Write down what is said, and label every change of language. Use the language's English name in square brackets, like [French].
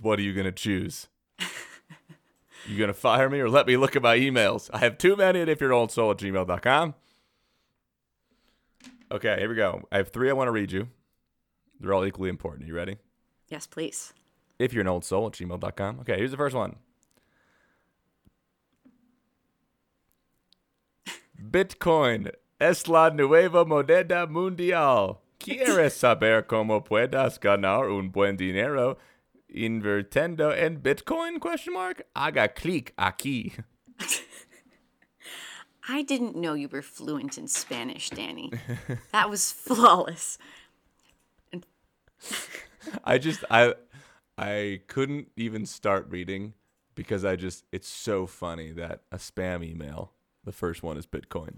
[English] What are you going to choose? You going to fire me or let me look at my emails? I have too many at ifyouroldsoul@gmail.com. Okay, here we go. I have three I want to read you. They're all equally important. Are you ready? Yes, please. ifyouroldsoul@gmail.com. Okay, here's the first one. [Spanish] Bitcoin es la nueva moneda mundial. ¿Quieres saber cómo puedes ganar un buen dinero invirtiendo en Bitcoin? Haga clic aquí. [English] I didn't know you were fluent in Spanish, Danny. That was flawless. I couldn't even start reading because it's so funny that a spam email, the first one is Bitcoin.